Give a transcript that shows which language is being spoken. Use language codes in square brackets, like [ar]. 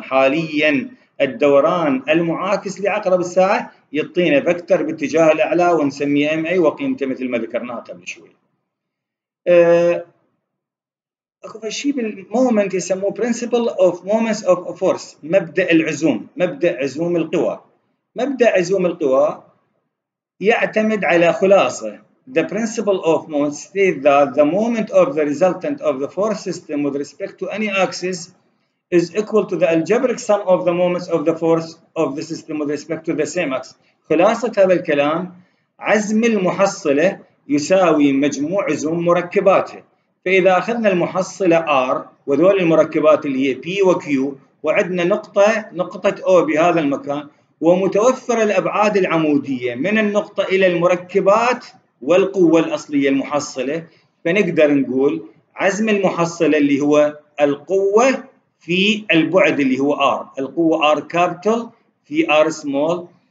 [ar] حاليا الدوران المعاكس لعقرب الساعه يعطينا فكتور باتجاه الاعلى ونسميه ام اي وقيمته مثل ما ذكرناه قبل شوي. اكو شيء بالمومنت يسموه برنسبل اوف مومنتس اوف فورس، مبدا العزوم، مبدا عزوم القوى. مبدا عزوم القوى يعتمد على خلاصه: [en] The principle of moment states that the moment of the resultant of the force system with respect to any axis is equal to the algebraic sum of the moments of the force of the system with respect to the same axis. [ar] خلاصة هذا الكلام: عزم المحصلة يساوي مجموع عزوم مركباته. فإذا أخذنا المحصلة R وذول المركبات اللي هي P و Q وعندنا نقطة O بهذا المكان، ومتوفر الأبعاد العمودية من النقطة إلى المركبات والقوة الأصلية المحصلة، فنقدر نقول عزم المحصلة اللي هو القوة في البعد اللي هو R، القوة R capital في R small